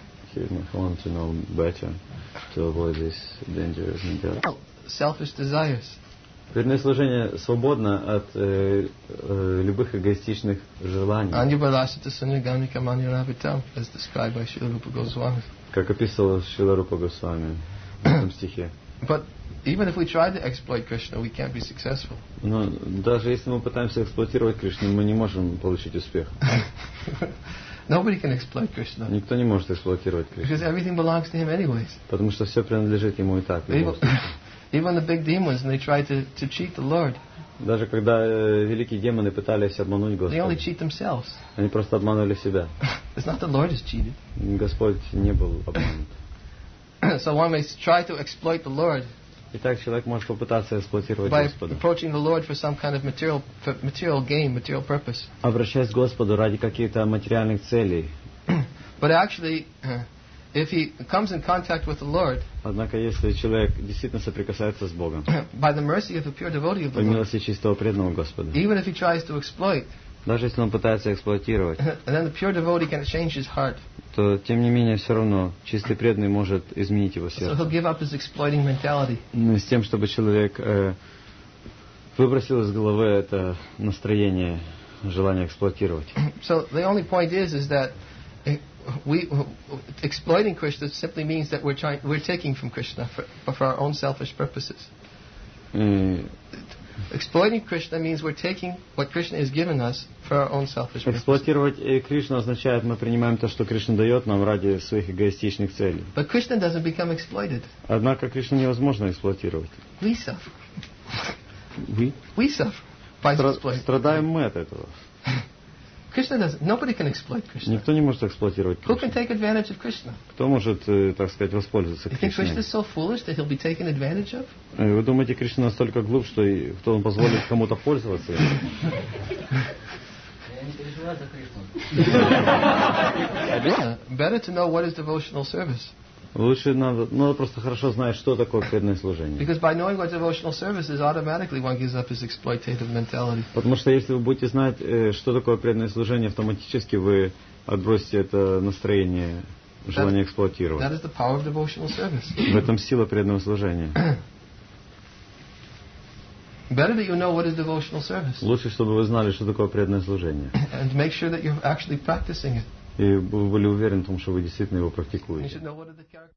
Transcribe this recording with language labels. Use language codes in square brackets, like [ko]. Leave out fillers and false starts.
[en] He wants to know better to avoid this dangerous endeavor. Selfish desires. [ru] Верное служение свободно от любых эгоистичных желаний. [sa] Anyabalasita sanyagamika manyaravitam, as described by Srila Rupa Goswami. [ru] Как описывал Шрила Рупа Госвами в этом стихе. [en] But even if we try to exploit Krishna, we can't be successful. [ru] Но даже если мы пытаемся эксплуатировать Кришну, мы не можем получить успех. [en] Nobody can exploit Krishna. [ru] Никто не может эксплуатировать Кришну. [en] Because everything belongs to him anyways. [ru] Потому что все принадлежит ему и так. [en] Even the big demons, when they try to cheat the Lord. [ru] Даже когда великие демоны пытались обмануть Господа. [en] They only cheat themselves. [ru] Они просто обманывали себя. [en] It's not the Lord who's cheated. [ru] Господь не был обманут. [en] So one may try to exploit the Lord. [ru] Итак, человек может попытаться эксплуатировать [en] By [ru] Господа. [en] By approaching the Lord for some kind of material gain, material purpose. [ru] Обращаясь к Господу ради каких-то материальных целей. [en] But actually, if he comes in contact with the Lord, [ru] однако если человек действительно соприкасается с Богом, [en] by the mercy of a pure devotee of the Lord, [ru] по милости чистого преданного Господа, [en] even if he tries to exploit, [ru] даже если он пытается эксплуатировать, [en] and then the pure devotee can change his heart, [ru] то тем не менее все равно чистый преданный может изменить его сердце. [en] So he'll give up his exploiting mentality. [ru] Но с тем, чтобы человек выбросил из головы это настроение, желание эксплуатировать. [en] So the only point is that we exploiting Krishna simply means that we're taking from Krishna for our own selfish purposes. Exploiting Krishna means we're taking what Krishna has given us for our own selfish purposes. [ru] Эксплуатировать Кришну означает мы принимаем то, что Кришна дает нам ради своих эгоистичных целей. [en] But Krishna doesn't become exploited. [ru] Однако Кришну невозможно эксплуатировать. [en] We suffer. We? We suffer. [ru] страдаем мы от этого. [en] Nobody can exploit Krishna. [ru] Никто не может эксплуатировать [en] Кришну. Who can take advantage of Krishna? [ru] Кто может, так сказать, воспользоваться Кришной? [en] You think Krishna is so foolish that he'll be taken advantage of? [ru] Вы думаете, Кришна настолько глуп, что кто он позволит кому-то пользоваться? Я не переживаю за Кришну. [en] Better to know what is devotional service. [ru] Лучше надо просто хорошо знать, что такое преданное служение. [en] Because by knowing what devotional service is, automatically one gives up his exploitative mentality. [ru] Потому что если вы будете знать, что такое преданное служение, автоматически вы отбросите это настроение, желание эксплуатировать. [en] That is the power of devotional service. [ru] В этом сила преданного служения. [en] Better that you know what is devotional service. [ru] Лучше, чтобы вы знали, что такое преданное служение. [en] And make sure that you're actually practicing it. [ru] И вы были уверены в том, что вы действительно его практикуете.